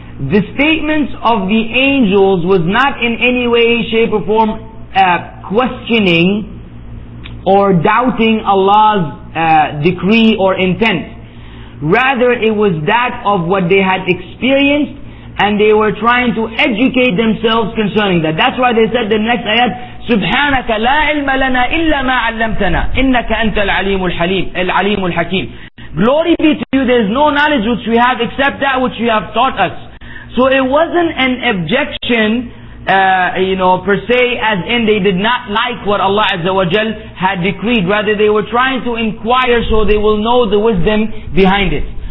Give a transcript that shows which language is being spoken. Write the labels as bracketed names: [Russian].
[English] The statements of the angels was not in any way, shape or form questioning or doubting Allah's decree or intent. Rather, it was that of what they had experienced, and they were trying to educate themselves concerning that. That's why they said the next ayat, [Arabic] سُبْحَانَكَ لَا عِلْمَ لَنَا إِلَّا مَا عَلَّمْتَنَا إِنَّكَ أَنْتَ الْعَلِيمُ الْحَلِيمُ الْعَلِيمُ الْحَكِيمُ. [English] Glory be to you, there is no knowledge which we have except that which you have taught us. So it wasn't an objection, per se, as in they did not like what Allah Azza wa Jal had decreed. Rather, they were trying to inquire so they will know the wisdom behind it.